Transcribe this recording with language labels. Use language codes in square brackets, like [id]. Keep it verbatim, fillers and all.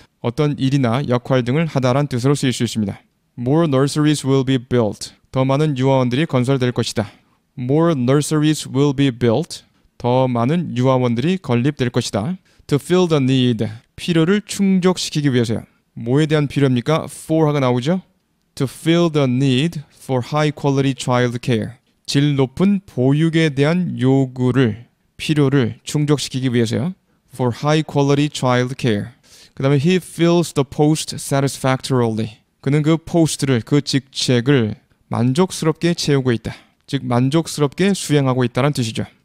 [ko] 어떤 일이나 역할 등을 하다란 뜻으로 쓰일 수 있습니다. [en] More nurseries will be built. [ko] 더 많은 유아원들이 건설될 것이다. [en] More nurseries will be built. [ko] 더 많은 유아원들이 건립될 것이다. [en] To fill the need. [ko] 필요를 충족시키기 위해서요. 뭐에 대한 필요입니까? for 하가 나오죠? [en] To fill the need for high quality child care. [ko] 질 높은 보육에 대한 요구를, 필요를 충족시키기 위해서요. [en] For high quality child care. [ko] 그 다음에 [en] he fills the post satisfactorily. [ko] 그는 그 포스트를, 그 직책을 만족스럽게 채우고 있다. 즉 만족스럽게 수행하고 있다는 뜻이죠.